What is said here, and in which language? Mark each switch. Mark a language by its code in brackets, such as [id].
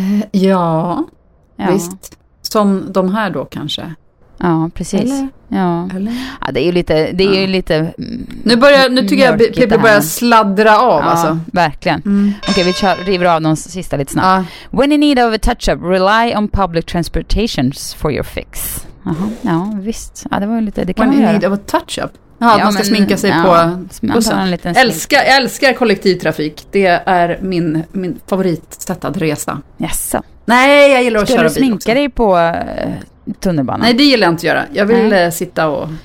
[sv] Ja, visst. Som de här då kanske. Ja, precis. Eller? Ja. Eller? Ja, det är ju lite... Det är ju lite nu tycker jag att Pippi börjar sladdra av. Ja, alltså. Verkligen. Mm. Okej, vi river av de sista lite snabbt. Ja. [en] When in need of a touch-up, rely on public transportation for your fix. [sv] Jaha, ja, visst. Ja, det var ju lite... Det kan [en] when in [sv] göra. [en] Need of a touch-up? [sv] Ja, att man ska sminka sig på bussen. Jag älskar kollektivtrafik. Det är min favoritsätt att resa. Jasså. Nej, jag gillar att köra bil. Ska du sminka dig på tunnelbanan? Nej, det gillar jag inte att göra. Jag vill sitta och